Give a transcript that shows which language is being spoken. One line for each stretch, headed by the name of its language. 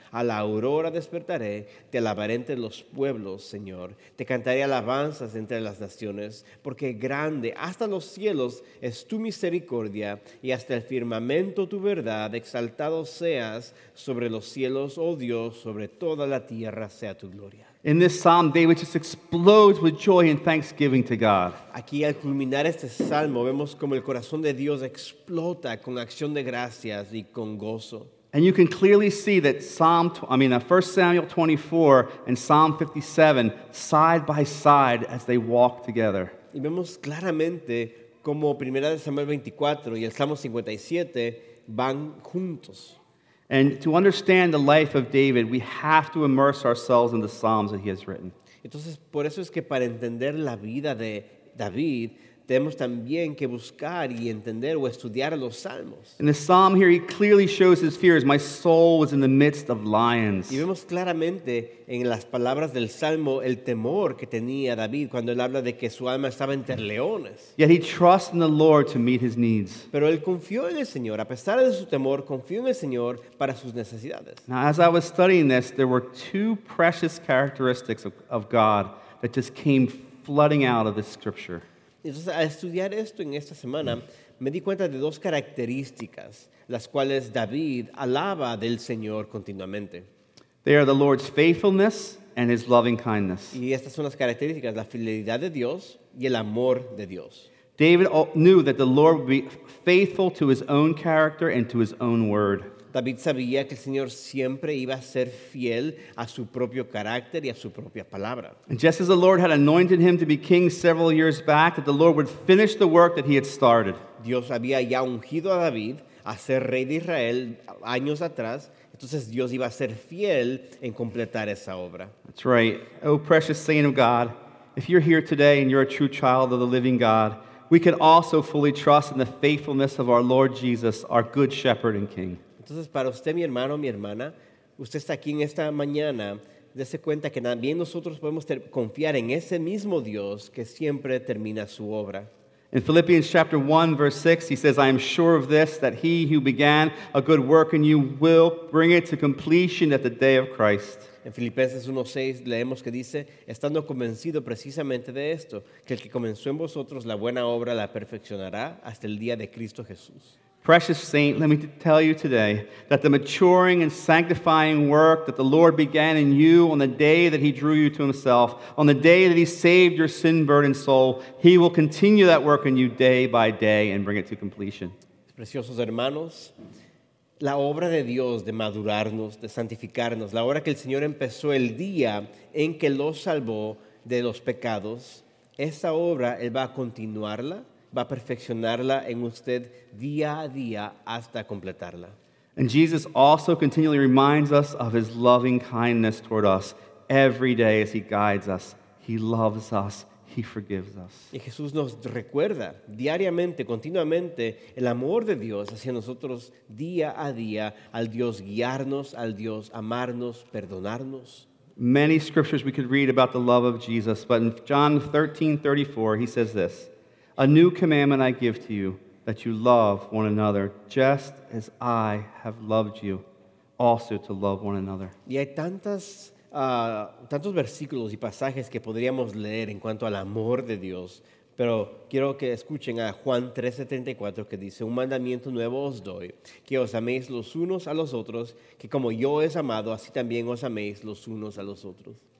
Spanish: A la aurora despertaré, te alabaré entre los pueblos, Señor. Te cantaré alabanzas entre las naciones, porque grande hasta los cielos es tu misericordia y hasta el firmamento tu verdad. Exaltado seas sobre los cielos, oh Dios, sobre toda la tierra sea tu gloria.
English: In this psalm, David just explodes with joy and thanksgiving to God.
Spanish: Aquí al culminar este salmo, vemos como el corazón de Dios explota con acción de gracias y con gozo.
English: And you can clearly see that First Samuel 24 and Psalm 57 side by side as they walk together.
Spanish: Y vemos claramente como Primera de Samuel 24 y el Salmo 57 van juntos.
English: And to understand the life of David, we have to immerse ourselves in the psalms that he has written.
Spanish: Entonces, por eso es que para entender la vida de David, tenemos también que buscar y entender o estudiar los salmos.
English: In the psalm here, he clearly shows his fears. My soul was in the midst of lions.
Spanish: Y vemos claramente en las palabras del salmo el temor que tenía David cuando él habla de que su alma estaba entre leones.
English: Yet he trusts in the Lord to meet his needs.
Spanish: Pero él confió en el Señor. A pesar de su temor, confió en el Señor para sus necesidades.
English: Now, as I was studying this, there were two precious characteristics of God that just came flooding out of this scripture.
Spanish: Entonces, al estudiar esto en esta semana, me di cuenta de dos características las cuales David alaba del Señor continuamente.
English: They are the Lord's faithfulness and his loving kindness.
Spanish: Y estas son las características, la fidelidad de Dios y el amor de Dios.
English: David knew that the Lord would be faithful to his own character and to his own word.
Spanish: David sabía que el Señor siempre iba a ser fiel a su propio carácter y a su propia palabra.
English: Just as the Lord had anointed him to be king several years back, that the Lord would finish the work that he had started.
Spanish: Dios había ya ungido a David a ser rey de Israel años atrás, entonces Dios iba a ser fiel en completar esa obra.
English: That's right. Oh, precious saint of God, if you're here today and you're a true child of the living God, we can also fully trust in the faithfulness of our Lord Jesus, our good shepherd and king.
Spanish: Entonces, para usted, mi hermano, mi hermana, usted está aquí en esta mañana, dése cuenta que también nosotros podemos confiar en ese mismo Dios que siempre termina su obra.
English: In Philippians chapter 1, verse 6, he says, "I am sure of this, that he who began a good work in you will bring it to completion at the day of Christ."
Spanish: En Filipenses 1:6 leemos que dice, "Estando convencido precisamente de esto, que el que comenzó en vosotros la buena obra la perfeccionará hasta el día de Cristo Jesús."
English: Precious saint, let me tell you today that the maturing and sanctifying work that the Lord began in you on the day that he drew you to himself, on the day that he saved your sin-burdened soul, he will continue that work in you day by day and bring it to completion.
Spanish: Preciosos hermanos, la obra de Dios de madurarnos, de santificarnos, la obra que el Señor empezó el día en que lo salvó de los pecados, esa obra, él va a continuarla. Va a perfeccionarla en usted día a día hasta completarla.
English: And Jesus also continually reminds us of his loving kindness toward us every day as he guides us. He loves us. He forgives us.
Spanish: Y Jesús nos recuerda diariamente, continuamente, el amor de Dios hacia nosotros día a día, al Dios guiarnos, al Dios amarnos, perdonarnos.
English: Many scriptures we could read about the love of Jesus, but in John 13:34, he says this, "A new commandment I give to you, that you love one another, just as I have loved you, also to love one another."
Spanish: Y hay tantos versículos y pasajes que podríamos leer en cuanto al amor de Dios, pero quiero que escuchen a Juan 3:34 que dice, "Un mandamiento nuevo os doy, que os améis los unos a los otros, que como yo os he amado, así también os améis los unos a los otros."